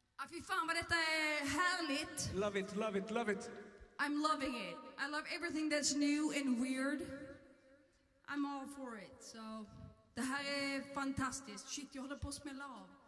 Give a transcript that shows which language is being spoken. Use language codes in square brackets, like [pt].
[sv] Fy fan vad detta är härligt. [en] Love it, love it, love it. I'm loving it. I love everything that's new and weird. I'm all for it. [sv] So, det här är fantastiskt. Shit, jag håller på att smälla av.